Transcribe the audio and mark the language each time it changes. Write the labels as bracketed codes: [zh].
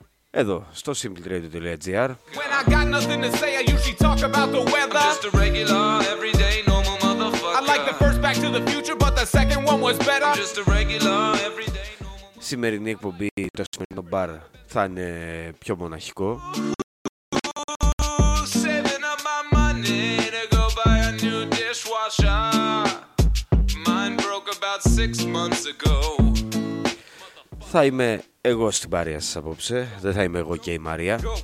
[el] Εδώ, στο simpleradio.gr. [en] When I got nothing to say, I usually talk about the weather. I'm just a regular, everyday, normal motherfucker. I like the first Back to the Future, but the second one was better. I'm just a regular, everyday, normal motherfucker. [el] Σημερινή εκπομπή, το σημερινό μπαρ θα είναι πιο μοναχικό. [en] Saving up my money to go buy a new dishwasher. Mine broke about 6 months ago. [el] Θα είμαι εγώ στην παρέα σας απόψε. Δεν θα είμαι εγώ και η Μαρία.